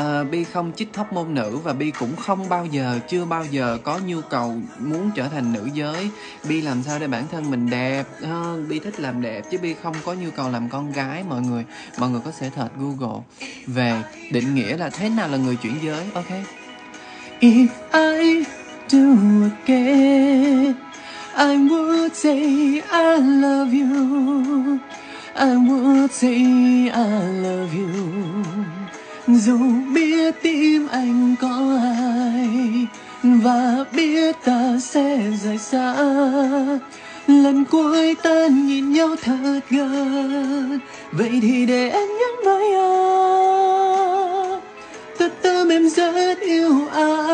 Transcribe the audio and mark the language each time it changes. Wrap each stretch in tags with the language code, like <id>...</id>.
<vi>Bi không chích hormone nữ và Bi cũng không bao giờ, chưa bao giờ có nhu cầu muốn trở thành nữ giới. Bi làm sao để bản thân mình đẹp hơn, Bi thích làm đẹp chứ Bi không có nhu cầu làm con gái. Mọi người có thể search Google về định nghĩa là thế nào là người chuyển giới, ok?</vi> <en>If I do again, I would say I love you, I would say I love you.</en> <vi>Dù biết tim anh có ai và biết ta sẽ rời xa, lần cuối ta nhìn nhau thật gần, vậy thì để em nhắn với anh, thật tâm em rất yêu anh.</vi>